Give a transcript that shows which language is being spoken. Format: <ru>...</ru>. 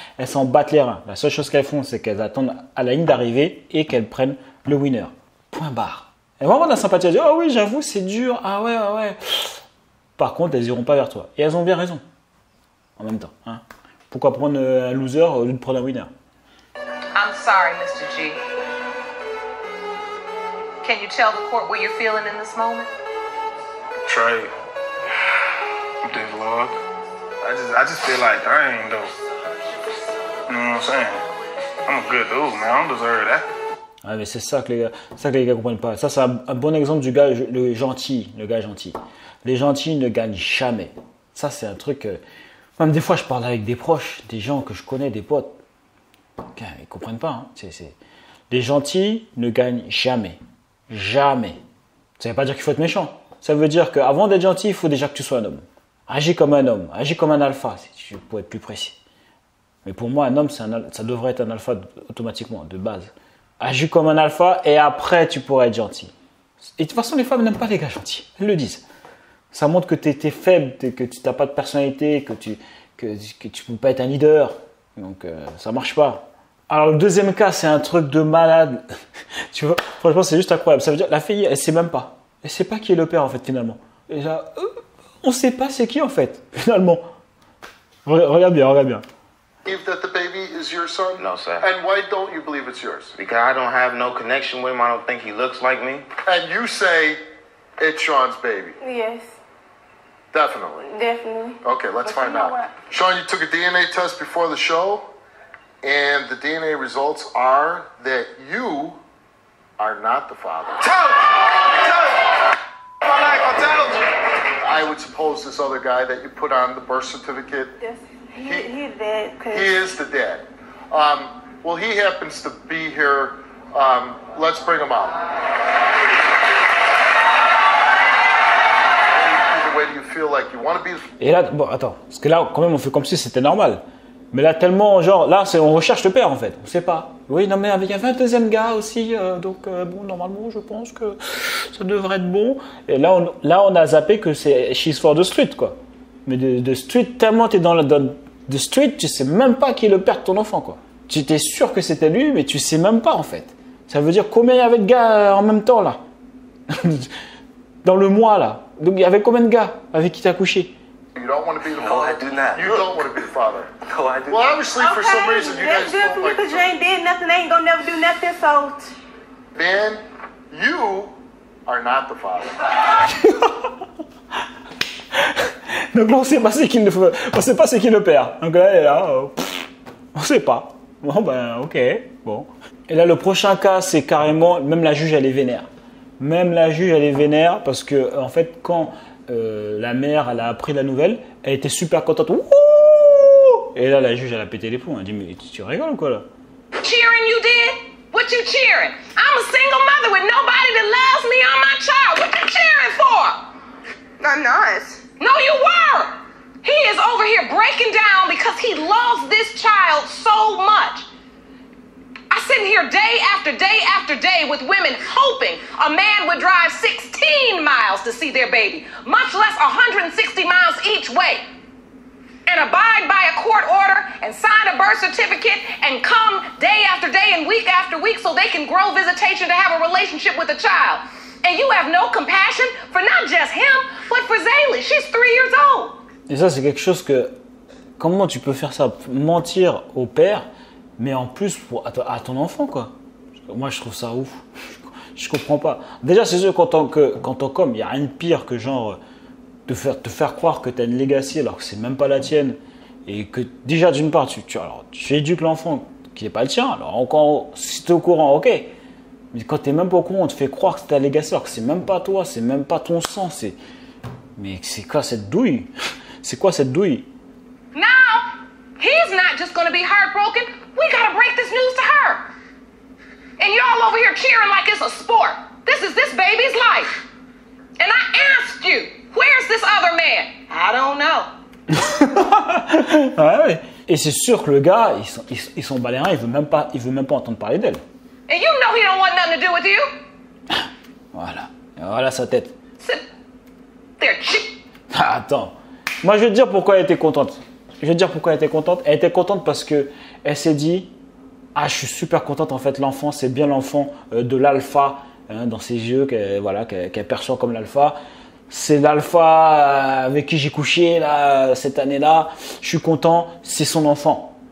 <fr>Elles s'en battent les reins. La seule chose qu'elles font, c'est qu'elles attendent à la ligne d'arrivée et qu'elles prennent le winner. Point barre. Elles vont avoir de la sympathie à dire, oh oui, j'avoue, c'est dur. Ah ouais. Par contre, elles iront pas vers toi. Et elles ont bien raison. En même temps, hein. Pourquoi prendre un loser au lieu de prendre un winner?</fr> <en>I'm sorry, Mr. G. Can you tell the court what you're feeling in this moment? Trey. I'm Dave Lord. I just feel like I ain't dope. You know what I'm saying? I'm a good dude, man. I don't deserve that.</en> <fr>Ah, mais c'est ça que les gars comprennent pas. Ça, c'est un bon exemple du gars le gentil, le gars gentil. Les gentils ne gagnent jamais. Ça, c'est un truc. Même des fois, je parle avec des proches, des gens que je connais, des potes. Ils comprennent pas. Hein. Les gentils ne gagnent jamais. Jamais. Ça veut pas dire qu'il faut être méchant. Ça veut dire qu'avant d'être gentil, il faut déjà que tu sois un homme. Agis comme un homme. Agis comme un alpha, si tu peux être plus précis. Mais pour moi, un homme, ça devrait être un alpha automatiquement, de base. Agis comme un alpha et après tu pourras être gentil. Et de toute façon, les femmes n'aiment pas les gars gentils. Elles le disent. Ça montre que tu es faible, que tu n'as pas de personnalité, que tu peux pas être un leader. Donc ça marche pas. Alors le deuxième cas, c'est un truc de malade. Tu vois, franchement, c'est juste incroyable. Ça veut dire la fille, elle sait même pas. Elle sait pas qui est le père en fait finalement. Et là, on sait pas c'est qui en fait finalement. Regarde bien, regarde bien.</fr> <en>That the baby is your son? No, sir. And why don't you believe it's yours? Because I don't have no connection with him. I don't think he looks like me. And you say it's Sean's baby? Yes. Definitely. Definitely. Okay, let's but find you know out. What? Sean, you took a DNA test before the show, and the DNA results are that you are not the father. Tell him! Tell him! My life, I'll tell him! I would suppose this other guy that you put on the birth certificate. Yes. He is the dad. Well, he happens to be here. Let's bring him out. Either way, do you feel like you want to be?</en> <fr>Et là, bon, attends. Parce que là, quand même, on fait comme si c'était normal. Mais là, tellement, genre, là, c'est on recherche le père, en fait. On sait pas. Oui, non, mais il y avait un deuxième gars aussi. Bon, normalement, je pense que ça devrait être bon. Et là, on a zappé que c'est</fr> <en>She's for the street,</en> <fr>quoi. Mais de street, tellement t'es dans la donne. De street, tu sais même pas qui est le père de ton enfant, quoi. Tu étais sûr que c'était lui, mais tu sais même pas, en fait. Ça veut dire combien il y avait de gars en même temps, là? Dans le mois, là. Donc, il y avait combien de gars avec qui t'as couché?</fr> <en>You don't want to be the No, I father. do not. You don't want to be the father. No, I do well, not. Obviously, for okay. some reason, you That's guys don't like because you ain't did nothing. Ain't gonna never do nothing, so... Ben, you are not the father.</en> <fr>Donc on sait pas c'est qui on sait pas c'est qui le père. Donc là, elle est là, on sait pas. Bon ben, ok, bon. Et là, le prochain cas, c'est carrément, même la juge, elle est vénère. Même la juge, elle est vénère parce que en fait, quand la mère, elle a appris la nouvelle, elle était super contente. Ouh! Et là, la juge, elle a pété les plombs. Elle dit, mais tu rigoles ou quoi là?</fr> <en>cheering you did? What you cheering? I'm a single mother with nobody that loves me or my child. What you cheering for? I'm not. No, you were. He is over here breaking down because he loves this child so much. I sit here day after day after day with women hoping a man would drive 16 miles to see their baby, much less 160 miles each way, and abide by a court order and sign a birth certificate and come day after day and week after week so they can grow visitation to have a relationship with a child. And you have no compassion for not just him, but for Zaylee. She's 3 years old.</en> <fr>Et ça, c'est quelque chose que... Comment tu peux faire ça? Mentir au père, mais en plus pour, à ton enfant, quoi. Moi, je trouve ça ouf. Je comprends pas. Déjà, c'est sûr qu'en tant qu'homme, il n'y a rien de pire que genre te faire croire que tu as une legacy alors que c'est même pas la tienne. Et que déjà, d'une part, tu éduques l'enfant qui n'est pas le tien. Alors, encore, si tu es au courant, ok. Mais quand tu n'es même pas au courant, on te fait croire que c'est ta legacy alors que c'est même pas toi, c'est même pas ton sang. Mais c'est quoi cette douille? C'est quoi cette douille?</fr> <en>Now, he's not just gonna be heartbroken. We gotta break this news to her. And y'all over here cheering like it's a sport. This is this baby's life. And I asked you, where's this other man? I don't know.</en> <fr>Ouais, ouais. Et c'est sûr que le gars, ils sont baléens, il veut même pas entendre parler d'elle.</fr> <en>And you know he don't want nothing to do with you.</en> <fr>Voilà. Et voilà sa tête. Attends. Moi, je vais te dire pourquoi elle était contente. Elle était contente parce que elle s'est dit, ah, je suis super contente en fait. L'enfant, c'est bien l'enfant de l'alpha hein, dans ses yeux, qu'elle perçoit comme l'alpha. C'est l'alpha avec qui j'ai couché là cette année-là. Je suis content. C'est son enfant.</fr>